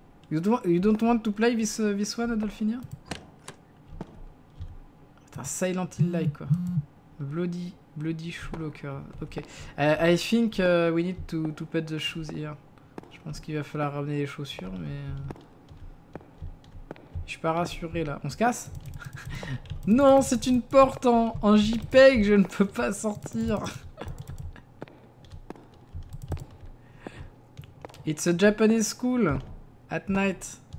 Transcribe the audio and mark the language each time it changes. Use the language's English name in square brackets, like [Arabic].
[English] You don't want to play this one, Adolfinia? Putain, Silent Hill-like, quoi. Bloody shoelocker. Ok. I think we need to put the shoes here. [French] Je pense qu'il va falloir ramener les chaussures, mais... Je suis pas rassuré, là. On se casse? Non, c'est une porte en JPEG, je ne peux pas sortir. [English] It's a Japanese school at night.